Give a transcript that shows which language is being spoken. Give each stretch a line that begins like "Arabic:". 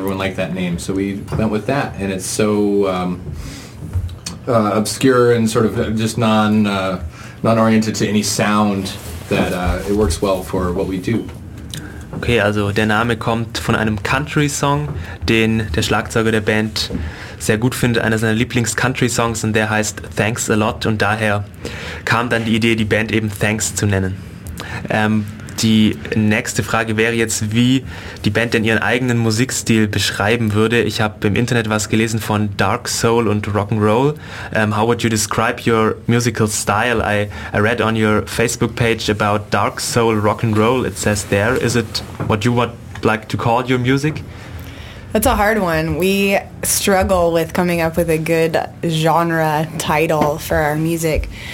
English: Everyone liked that name, so we went with that, and it's so obscure and sort of just non-oriented to any sound that it works well for what we do.
German: Okay, also der Name kommt von einem Country-Song, den der Schlagzeuger der Band sehr gut findet, einer seiner Lieblings-Country-Songs, und der heißt Thanks a Lot, und daher kam dann die Idee, die Band eben Thanks zu nennen. Die nächste Frage wäre jetzt, wie die Band denn ihren eigenen Musikstil beschreiben würde. Ich habe im Internet was gelesen von Dark Soul und Rock'n'Roll.
English: How would you describe your musical style? I read on your Facebook page about Dark Soul Rock'n'Roll. It says there. Is it what you would like to call your music? That's a hard one. We struggle with coming up with a good genre title for our music.